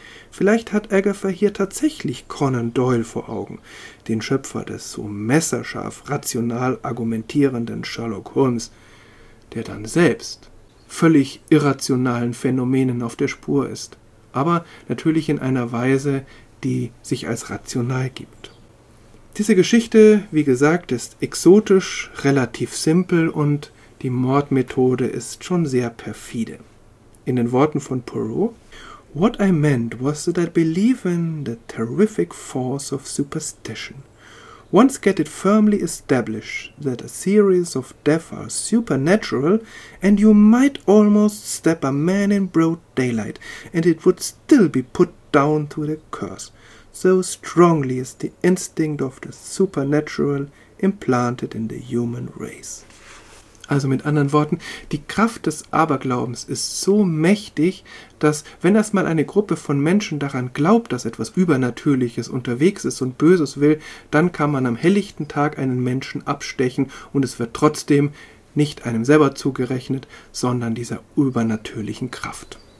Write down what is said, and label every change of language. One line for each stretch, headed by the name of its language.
German: Vielleicht hat Agatha hier tatsächlich Conan Doyle vor Augen, den Schöpfer des so messerscharf rational argumentierenden Sherlock Holmes, der dann selbst völlig irrationalen Phänomenen auf der Spur ist, aber natürlich in einer Weise, die sich als rational gibt. Diese Geschichte, wie gesagt, ist exotisch, relativ simpel und die Mordmethode ist schon sehr perfide. In den Worten von Poirot:
English: "What I meant was that I believe in the terrific force of superstition. Once get it firmly established that a series of death are supernatural, and you might almost stab a man in broad daylight, and it would still be put down to the curse. So strongly is the instinct of the supernatural implanted in the human race."
German: Also mit anderen Worten, die Kraft des Aberglaubens ist so mächtig, dass wenn erstmal eine Gruppe von Menschen daran glaubt, dass etwas Übernatürliches unterwegs ist und Böses will, dann kann man am helllichten Tag einen Menschen abstechen und es wird trotzdem nicht einem selber zugerechnet, sondern dieser übernatürlichen Kraft.